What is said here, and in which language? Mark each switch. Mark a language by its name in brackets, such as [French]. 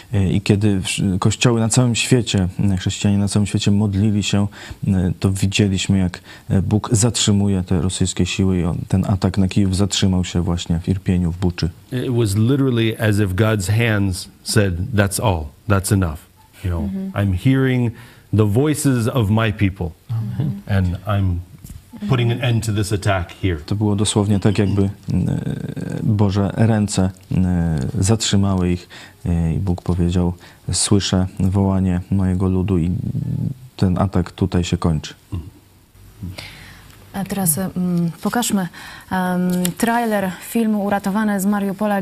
[Polish] I kiedy kościoły na całym świecie, chrześcijanie na całym świecie modlili się, to widzieliśmy, jak Bóg zatrzymuje te rosyjskie siły i ten atak na Kijów zatrzymał się właśnie w Irpieniu, w Buczy. [English] It was literally as if God's hands said, that's all, that's enough. You know, mm-hmm. I'm hearing the voices of my people mm-hmm. and I'm putting an end to this attack here. [Polish] To było dosłownie tak, jakby Boże ręce zatrzymały ich i Bóg powiedział, słyszę wołanie mojego ludu i ten atak tutaj się kończy. A teraz pokażmy trailer filmu Uratowane z Mariupola.